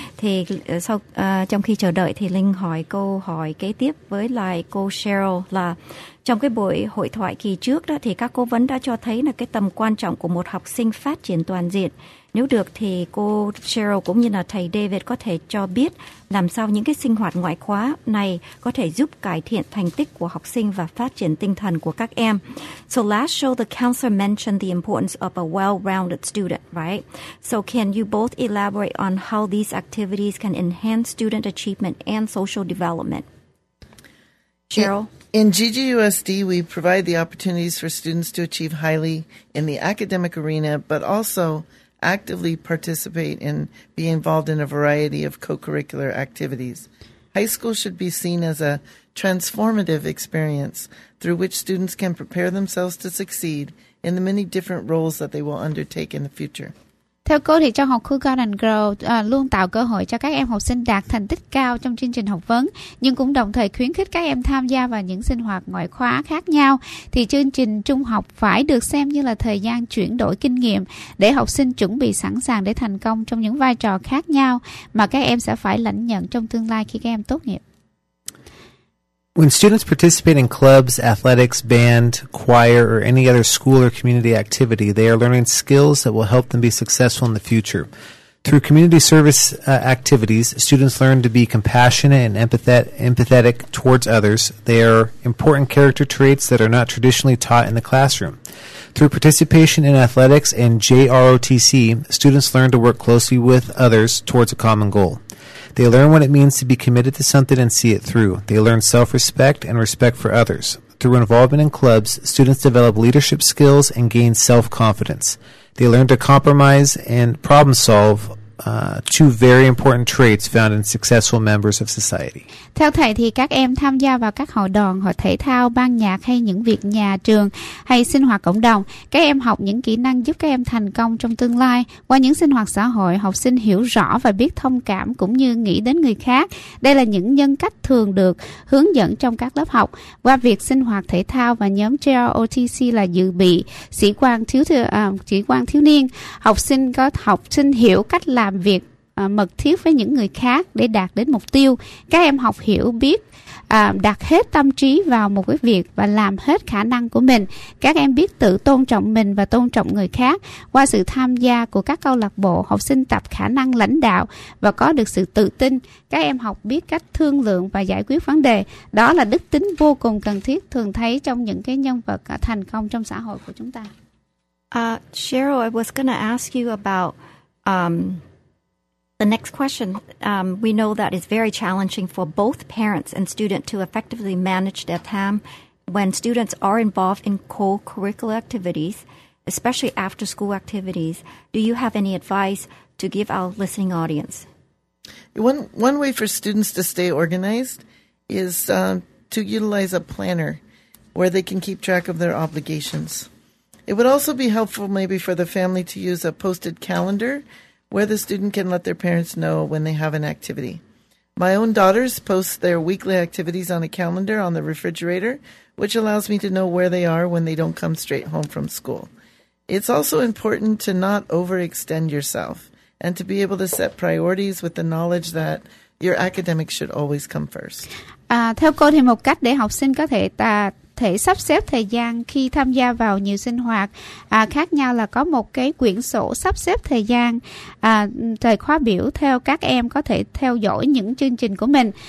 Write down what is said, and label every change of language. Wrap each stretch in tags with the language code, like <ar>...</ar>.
<vi>Thì sau trong khi chờ đợi thì Linh hỏi câu hỏi kế tiếp với lại cô Cheryl là trong cái buổi hội thoại kỳ trước đó thì các cố vấn đã cho thấy là cái tầm quan trọng của một học sinh phát triển toàn diện. Nếu được thì cô Cheryl cũng như là thầy David có thể cho biết làm sao những cái sinh hoạt ngoại khóa này có thể giúp cải thiện thành tích của học sinh và phát triển tinh thần của các em.</vi> <en>So last show, the counselor mentioned the importance of a well-rounded student, right? So can you both elaborate on how these activities can enhance student achievement and social development? Cheryl? In GGUSD, we provide the opportunities for students to achieve highly in the academic arena, but also actively participate and be involved in a variety of co-curricular activities. High school should be seen as a transformative experience through which students can prepare themselves to succeed in the many different roles that they will undertake in the future.</en> <vi>Theo cô thì trong học khu Garden Grow luôn tạo cơ hội cho các em học sinh đạt thành tích cao trong chương trình học vấn, nhưng cũng đồng thời khuyến khích các em tham gia vào những sinh hoạt ngoại khóa khác nhau. Thì chương trình trung học phải được xem như là thời gian chuyển đổi kinh nghiệm để học sinh chuẩn bị sẵn sàng để thành công trong những vai trò khác nhau mà các em sẽ phải lãnh nhận trong tương lai khi các em tốt nghiệp.</vi> <en>When students participate in clubs, athletics, band, choir, or any other school or community activity, they are learning skills that will help them be successful in the future. Through community service activities, students learn to be compassionate and empathetic towards others. They are important character traits that are not traditionally taught in the classroom. Through participation in athletics and JROTC, students learn to work closely with others towards a common goal. They learn what it means to be committed to something and see it through. They learn self-respect and respect for others. Through involvement in clubs, students develop leadership skills and gain self-confidence. They learn to compromise and problem-solve, two very important traits found in successful members of society.</en> <vi>Theo thầy thì các em tham gia vào các hội đoàn, hội thể thao, ban nhạc hay những việc nhà trường hay sinh hoạt cộng đồng. Các em học những kỹ năng giúp các em thành công trong tương lai. Qua những sinh hoạt xã hội, học sinh hiểu rõ và biết thông cảm cũng như nghĩ đến người khác. Đây là những nhân cách thường được hướng dẫn trong các lớp học. Qua việc sinh hoạt thể thao và nhóm JROTC là dự bị sĩ quan thiếu niên, học sinh hiểu cách làm việc mật thiết với những người khác để đạt đến mục tiêu. Các em học hiểu biết đặt hết tâm trí vào một cái việc và làm hết khả năng của mình. Các em biết tự tôn trọng mình và tôn trọng người khác. Qua sự tham gia của các câu lạc bộ, học sinh tập khả năng lãnh đạo và có được sự tự tin. Các em học biết cách thương lượng và giải quyết vấn đề. Đó là đức tính vô cùng cần thiết thường thấy trong những cái nhân vật thành công trong xã hội của chúng ta.</vi> <en>Cheryl, I was going to ask you about The next question, we know that it's very challenging for both parents and student to effectively manage their time when students are involved in co-curricular activities, especially after-school activities. Do you have any advice to give our listening audience? One way for students to stay organized is to utilize a planner where they can keep track of their obligations. It would also be helpful maybe for the family to use a posted calendar where the student can let their parents know when they have an activity. My own daughters post their weekly activities on a calendar on the refrigerator, which allows me to know where they are when they don't come straight home from school. It's also important to not overextend yourself and to be able to set priorities with the knowledge that your academics should always come first.</en> <vi>Theo cô thì một cách để học sinh có thể thể sắp xếp thời gian khi tham gia vào nhiều sinh hoạt khác nhau là có một cái quyển sổ sắp xếp thời gian thời khóa biểu theo các em có thể theo dõi những chương trình của mình.</vi>